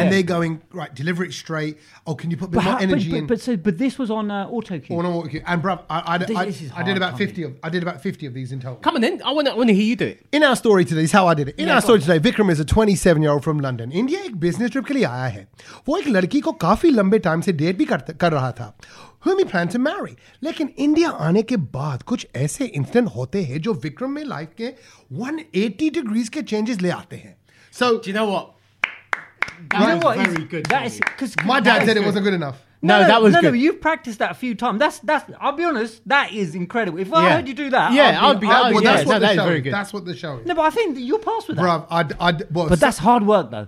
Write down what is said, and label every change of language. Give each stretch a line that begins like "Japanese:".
English: And they're going, right, deliver it straight. Oh, can you put a bit more energy in? But this was on auto cue. On auto cue. And bro, I did about 50 of these in total. Come on then, I want to hear you do it. In our story today, this is how I did it. In our story today, Vikram is a 27-year-old from London, India,
Hindi: ek business trip ke liye aaya hai. वो एक लड़की को काफी लंबे time से date भी कर रहा था।
English: Whom he planned to marry.
Hindi: लेकिन India आने के बाद कुछ ऐसे incident होते है जो Vikram में life के 180 degrees के changes ले आते है।
English: So, do you know what? My dad said it wasn't good enough. No, that was good. No, you've practiced that a few times. That's. I'll be honest, that is incredible. If I heard you do that, that's what the show is. No, but I think that you'll pass with bro, that. But that's hard work, though.